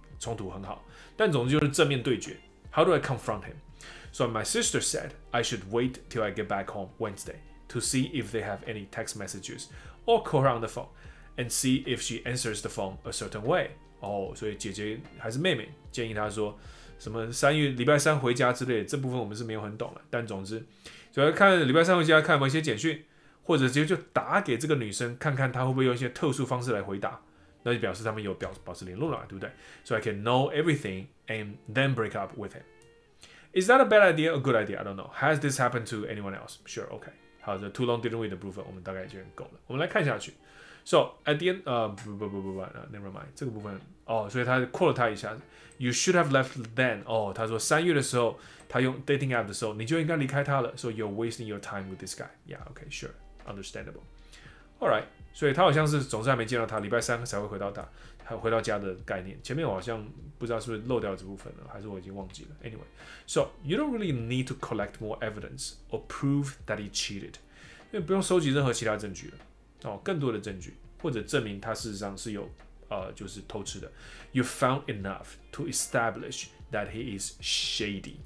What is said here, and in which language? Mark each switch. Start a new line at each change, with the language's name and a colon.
Chinese: 冲突很好，但总之就是正面对决。
English: How do I confront him? So my sister said I should wait till I get back home Wednesday to see if they have any text messages or call her on the phone and see if she answers the phone a certain way.
Chinese: 哦，所以姐姐还是妹妹建议她说什么三月礼拜三回家之类的，这部分我们是没有很懂的，但总之主要看礼拜三回家看有没有一些简讯，或者直接就打给这个女生看看她会不会用一些特殊方式来回答，那就表示他们有保持联络了，对不对？
English: So I can know everything and then break up with him. Is that a bad idea or a good idea? I don't know. Has this happened to anyone else? Sure, okay.
Chinese: 好的 too long didn't wait 的部分我们大概已经够了，我们来看下去。
English: So at the end, never mind.
Chinese: 这个部分哦，所以他 quote 他一下
English: ，You should have left then.
Chinese: 哦，他说三月的时候，他用 dating app 的时候，你就应该离开他了。
English: So you're wasting your time with this guy. Yeah, okay, sure, understandable. All right.
Chinese: 所以他好像是总是还没见到他，礼拜三才会回到他，还回到家的概念。前面我好像不知道是不是漏掉这部分了，还是我已经忘记了。
English: Anyway, so you don't really need to collect more evidence or prove that he cheated.
Chinese: 因为不用收集任何其他证据了。哦，更多的证据，或者证明他事实上是有，就是偷吃的。
English: You found enough to establish that he is shady.